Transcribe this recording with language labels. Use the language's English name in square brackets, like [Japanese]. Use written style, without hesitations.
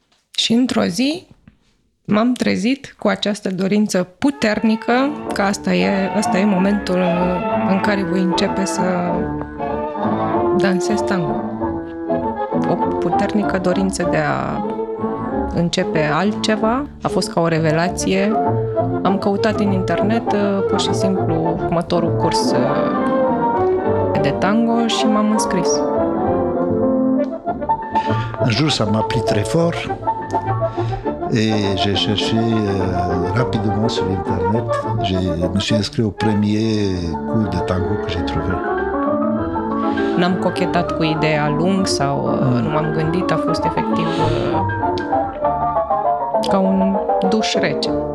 [Romanian] Și într-o zi m-am trezit cu această dorință puternică că asta e momentul în care voi începe să dansez tango. O puternică dorință de a începe altceva. A fost ca o revelație. Am căutat în internet pur și simplu următorul curs de tango și m-am înscris. În jur s-a m-a plit très fort. [French] Et j'ai cherché rapidement sur internet. Je me suis inscrit au premier cours de tango que j'ai trouvé. [Romanian] N-am cochetat cu ideea lung sau nu m-am gândit, a fost efectiv ca un duș rece.